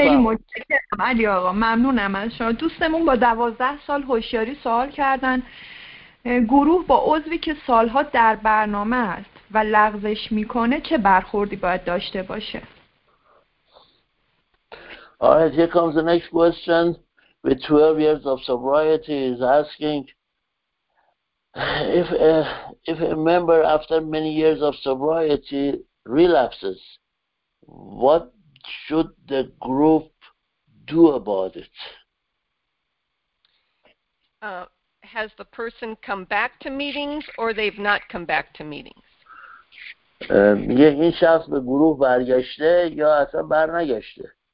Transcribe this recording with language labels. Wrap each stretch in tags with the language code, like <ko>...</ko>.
<fa>خیلی متشکرم علی آقا، ممنونم از شما. دوستمون با 12 سال هوشیاری سوال کردن. گروه با عضوی که سالها در برنامه است و لغزش میکنه چه برخوردی باید داشته باشه؟</fa> <en>Alright, here comes the next question. With 12 years of sobriety is asking if a member after many years of sobriety relapses, what should the group do about it? Has the person come back to meetings or they've not come back to meetings?</en> <fa>میگه این شخص به گروه برگشته یا اصلا بر نگشته.</fa>